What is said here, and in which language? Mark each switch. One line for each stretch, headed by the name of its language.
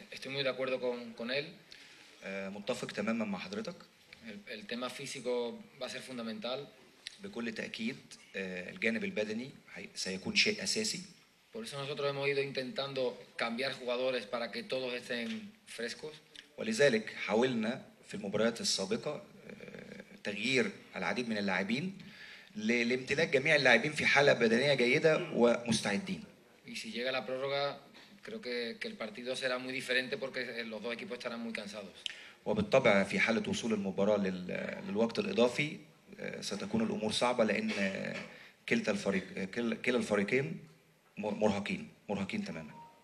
Spanish: Muy de acuerdo con él.
Arabic: متفق تماما مع حضرتك.
Spanish: El tema físico va a ser fundamental.
Arabic: بكل تأكيد الجانب البدني سيكون شيء أساسي.
Spanish: Por eso nosotros hemos ido intentando cambiar jugadores para que todos estén frescos.
Arabic: ولذلك حاولنا في المباريات السابقة تغيير العديد من اللاعبين لامتلاك جميع اللاعبين في حالة بدنية جيدة ومستعدين.
Spanish: Y si llega la prórroga creo que el partido será muy diferente porque los dos equipos estarán muy cansados.
Arabic: وبالطبع في حالة وصول المباراة للوقت الإضافي ستكون الأمور صعبة لأن كلا الفريقين مرهقين تماما.